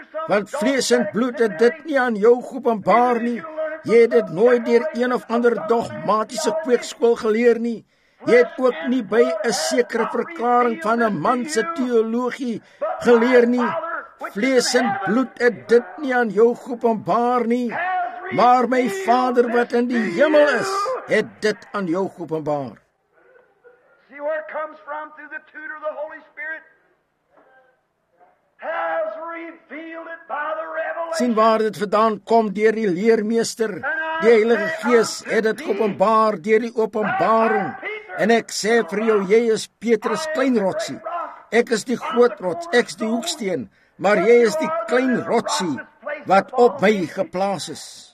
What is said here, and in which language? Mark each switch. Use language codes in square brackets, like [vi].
[af] Want vlees en bloed het dit nie aan jou geopenbaar nie. Jy het dit nooit deur een of ander dogmatiese kweekskool geleer nie. Jy het ook nie by 'n sekere verklaring van 'n man se teologie geleer nie. Vlees en bloed het dit nie aan jou geopenbaar nie. Maar my Vader wat in die hemel is, het dit aan jou geopenbaar. [en] See where it comes from through the tutor of the Holy Spirit. Has revealed it by the revelation. [af] Sien waar dit vandaan kom, deur die leermeester. Die Heilige Gees het dit geopenbaar deur die openbaring. En ek sê vir jou, jy is Petrus klein rotsie. Ek is die groot rots, ek is die hoeksteen, maar jy is die klein rotsie wat op my geplaas is.